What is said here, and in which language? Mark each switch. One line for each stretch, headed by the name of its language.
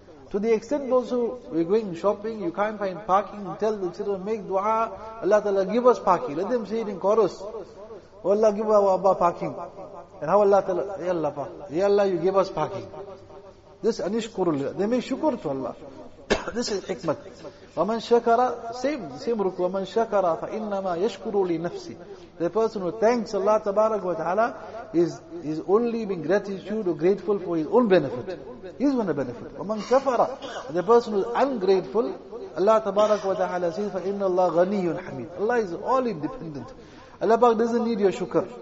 English: To the extent also, we're going shopping, you can't find parking, tell the children, make dua, Allah ta'ala, give us parking. Let them say it in chorus. Oh Allah, give our Abba parking. And how Allah ta'ala, Ya Allah, you give us parking. This anishkurul, they make shukur to Allah. This is hikmat.
Arabic: وَمَنْ شَكَرَ
English: same ruku,
Arabic: وَمَنْ شَكَرَ فَإِنَّمَا يَشْكُرُ لِنَفْسِ.
English: The person who thanks Allah tabarak wa ta'ala is only being gratitude or grateful for his own benefit. He's going to benefit.
Arabic: وَمَنْ كَفَرَ,
English: the person who is ungrateful, Allah tabarak wa ta'ala says,
Arabic: فَإِنَّ اللَّهَ غَنِيٌ حَمِيدٌ.
English: Allah is all independent. Allah Pak doesn't need your shukr.